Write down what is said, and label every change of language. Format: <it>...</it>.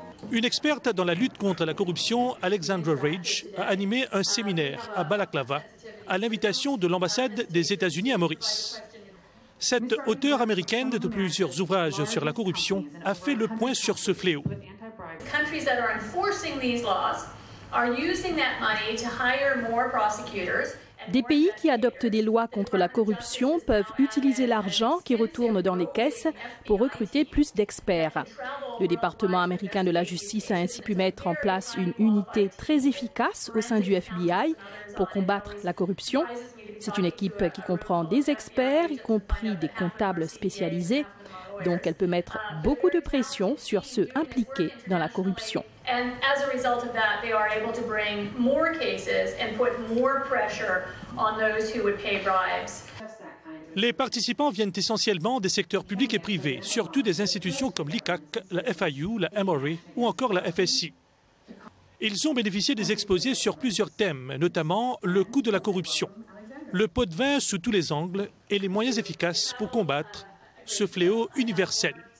<fr>Une experte dans la lutte contre la corruption, Alexandra Rage, a animé un séminaire à Balaclava à l'invitation de l'ambassade des États-Unis à Maurice. Cette auteure américaine de plusieurs ouvrages sur la corruption a fait le point sur ce fléau.</fr> <en>Countries that are enforcing these laws are using that money to hire more prosecutors.</en> <fr>Des pays qui adoptent des lois contre la corruption peuvent utiliser l'argent qui retourne dans les caisses pour recruter plus d'experts. Le département américain de la justice a ainsi pu mettre en place une unité très efficace au sein du FBI pour combattre la corruption. C'est une équipe qui comprend des experts, y compris des comptables spécialisés. Donc elle peut mettre beaucoup de pression sur ceux impliqués dans la corruption.</fr> <en>And as a result of that, they are able to bring more cases and put more pressure on those who would pay bribes.</en> <fr>Les participants viennent essentiellement des secteurs publics et privés, surtout des institutions comme l'ICAC, la FIU, la MRE ou encore la FSC. Ils ont bénéficié des exposés sur plusieurs thèmes, notamment le coût de la corruption, le pot de vin sous tous les angles et les moyens efficaces pour combattre ce fléau universel.</fr>